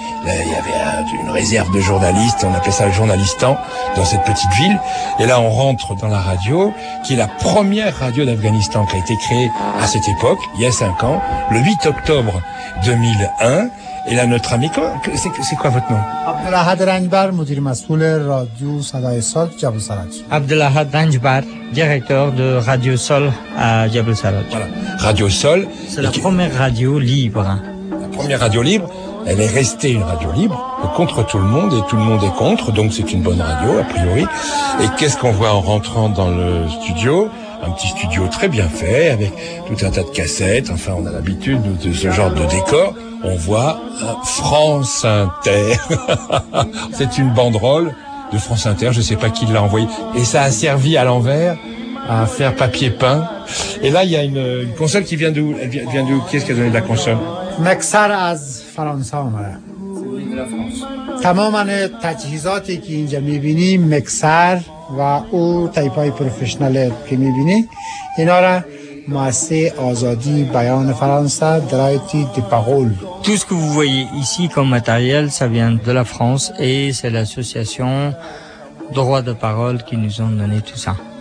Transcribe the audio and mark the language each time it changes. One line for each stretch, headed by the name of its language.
French: Il y avait une réserve de journalistes, on appelait ça le journalistan, dans cette petite ville. Et là, on rentre dans la radio, qui est la première radio d'Afghanistan qui a été créée à cette époque, il y a 5 ans, le 8 octobre 2001. Et là, notre ami, c'est quoi votre nom?
Persian: Abdullah Danjbar, مدیر مسئول رادیو صدای صلح جبل سرحد.
French: Abdullah Danjbar, directeur de Radio Sol à Jabal Sarraj. Voilà. Radio Sol. C'est la première radio libre. La première radio libre. Elle est restée une radio libre, contre tout le monde, et tout le monde est contre, donc c'est une bonne radio, a priori. Et qu'est-ce qu'on voit en rentrant dans le studio? Un petit studio très bien fait, avec tout un tas de cassettes, enfin on a l'habitude de ce genre de décor. On voit France Inter. C'est une banderole de France Inter, je ne sais pas qui l'a envoyée. Et ça a servi à l'envers, à faire papier peint. Et là, il y a une console qui vient d'où? Elle vient d'où? Qui est-ce qui a donné de la console?
Persian: مکسر از فرانسه آمده. تمام تجهیزاتی که اینجا میبینی مکسر و او تایپای پروفشنل که میبینی اینا را مؤسسه آزادی بیان فرانسه درایتی دی پاول.
French: Tout ce que vous voyez ici comme matériel, ça vient de la France et c'est l'association Droit de Parole qui nous ont donné tout ça.